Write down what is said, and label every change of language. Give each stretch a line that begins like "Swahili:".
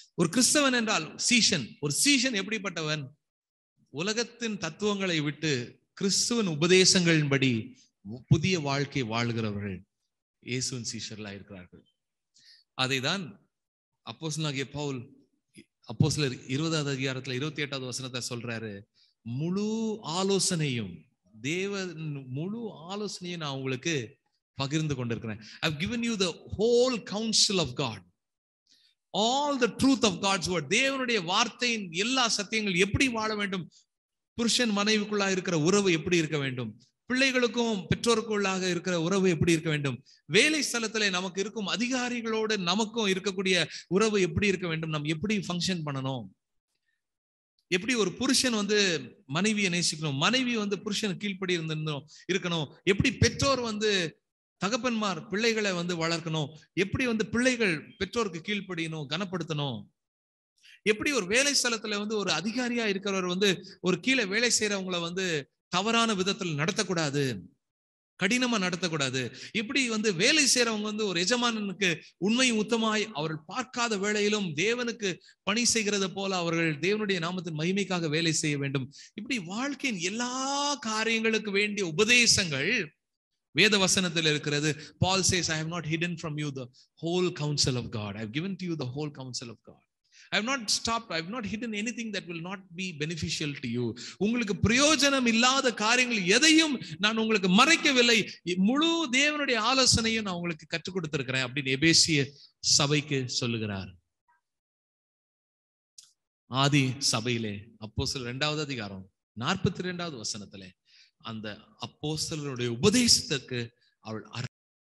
Tamil: ஒரு கிறிஸ்தவன் என்றால் சீஷன். ஒரு சீஷன் எப்படிப்பட்டவன்? உலகத்தின் தத்துவங்களை விட்டு கிறிஸ்துவின் உபதேசங்களின்படி புதிய வாழ்க்கை வாழ்கிறவர்கள் இயேசுவின் சீஷர்களாக இருக்கிறார்கள். அதை தான் அப்போஸ்தலனாகிய பவுல் அப்போஸ்தலர் 20வது அதிகாரத்தில் 28வது வசனத்தை சொல்றாரு. முழு ஆலோசனையும், தேவன் முழு ஆலோசனையும் நான் உங்களுக்கு பகிர்ந்து கொண்டிருக்கிறேன்.
English: I've given you the whole counsel of God. All the truth of God's word.
Tamil: தேவனுடைய வார்த்தையின் எல்லா சத்தியங்கள். எப்படி வாழ வேண்டும்? புருஷன் மனைவிக்குள்ளாக இருக்கிற உறவு எப்படி இருக்க வேண்டும்? பிள்ளைகளுக்கும் பெற்றோருக்குள்ளாக இருக்கிற உறவு எப்படி இருக்க வேண்டும்? வேலை ஸ்தலத்திலே நமக்கு இருக்கும் அதிகாரிகளோடு நமக்கும் இருக்கக்கூடிய உறவு எப்படி இருக்க வேண்டும்? நம்ம எப்படி ஃபங்க்ஷன் பண்ணணும்? எப்படி ஒரு புருஷன் வந்து மனைவியை நேசிக்கணும், மனைவி வந்து புருஷனை கீழ்ப்படி இருந்தோம் இருக்கணும்? எப்படி பெற்றோர் வந்து தகப்பன்மார் பிள்ளைகளை வந்து வளர்க்கணும்? எப்படி வந்து பிள்ளைகள் பெற்றோருக்கு கீழ்ப்படியணும், கனப்படுத்தணும்? எப்படி ஒரு வேலை ஸ்தலத்துல வந்து ஒரு அதிகாரியா இருக்கிறவர் வந்து ஒரு கீழே வேலை செய்யறவங்களை வந்து தவறான விதத்தில் நடத்தக்கூடாது, கடினமா நடத்தக்கூடாது? எப்படி வந்து வேலை செய்யறவங்க வந்து ஒரு எஜமானனுக்கு உண்மை உத்தமாய் அவர்கள் பார்க்காத வேளையிலும் தேவனுக்கு பணி செய்கிறத போல அவர்கள் தேவனுடைய நாமத்தின் மகிமைக்காக வேலை செய்ய வேண்டும்? இப்படி வாழ்க்கையின் எல்லா காரியங்களுக்கு வேண்டிய உபதேசங்கள் வேத வசனத்தில் இருக்கிறது.
English: Paul says, I have not hidden from you the whole counsel of God. I have given to you the whole counsel of God. I have not stopped, I have not hidden anything that will not be beneficial to you.
Tamil: உங்களுக்கு பிரயோஜனம் இல்லாத காரியங்கள் எதையும் நான் உங்களுக்கு மறைக்கவில்லை. முழு தேவனுடைய ஆலோசனையும் நான் உங்களுக்கு கற்றுக் கொடுத்திருக்கிறேன் அப்படின்னு எபேசிய சபைக்கு சொல்லுகிறார். ஆதி சபையிலே அப்போஸ்தலர் 2வது அதிகாரம் 42வது வசனத்திலே அந்த அப்போஸ்தலருடைய உபதேசத்துக்கு அவள் அர்